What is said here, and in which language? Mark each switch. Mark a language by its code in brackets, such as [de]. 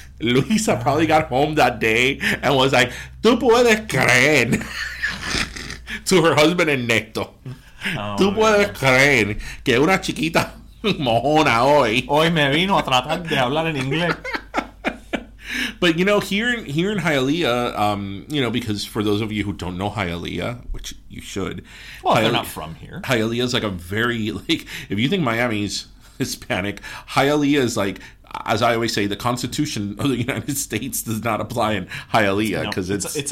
[en] Luisa probably got home that day and was like, [es] tú puedes creer [en] to her husband and Neto. [es] Oh, tú puedes creer que una chiquita mojona hoy. Hoy me vino a tratar de hablar en inglés. [en] But, you know, here in Hialeah, you know, because for those of you who don't know Hialeah, which you should. Well, they're not from here. Hialeah is like a very, like, if you think Miami's Hispanic, Hialeah is like, as I always say, the Constitution of the United States does not apply in Hialeah because it's